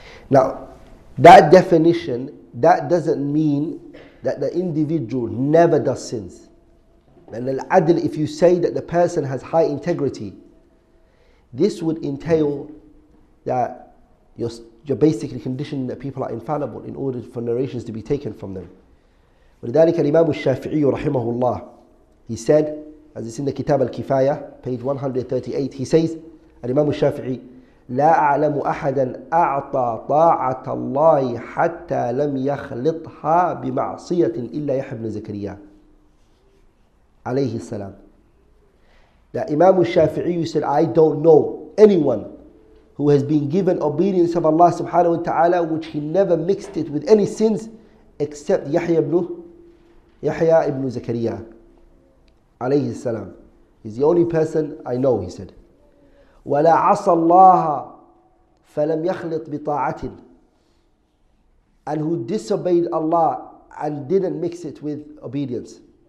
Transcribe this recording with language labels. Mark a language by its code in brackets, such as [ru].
[en] Now, that definition, that doesn't mean that the individual never does sins. And al-adl, if you say that the person has high integrity, this would entail that you're basically conditioning that people are infallible in order for narrations to be taken from them. [ar] ولذلك الإمام الشافعي رحمه الله, [en] he said, as it's in the Kitab al-Kifaya, page 138, he says, [ar] الإمام الشافعي, لا أعلم أحدا أعطى طاعة الله حتى لم يخلطها بمعصية إلا يحيى بن زكريا عليه السلام. [en] The Imam al-Shafi'i said, I don't know anyone who has been given obedience of Allah subhanahu wa ta'ala which he never mixed it with any sins except Yahya ibn Zakariya عليه السلام. He's the only person I know, he said. [ar] ولا عصى الله فلم يخلط بطاعة. [en] And who disobeyed Allah and didn't mix it with obedience.